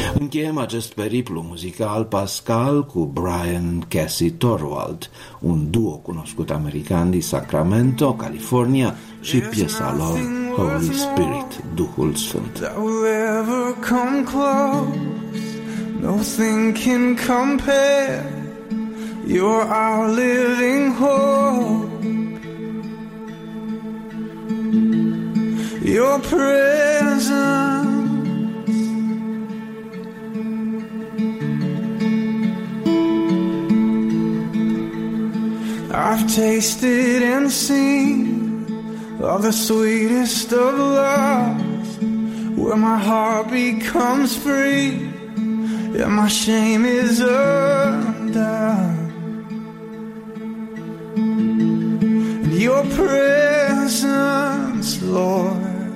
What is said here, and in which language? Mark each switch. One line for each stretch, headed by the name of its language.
Romanian: încheiem acest periplu muzical pascal cu Brian Cassie Thorwald, un duo cunoscut american din Sacramento, California, și piesa lor Holy Spirit, Duhul Sfânt.
English: That will ever come close, nothing can compare, you're our living hope, your presence. I've tasted and seen of the sweetest of loves, where my heart becomes free and my shame is undone. And your presence, Lord,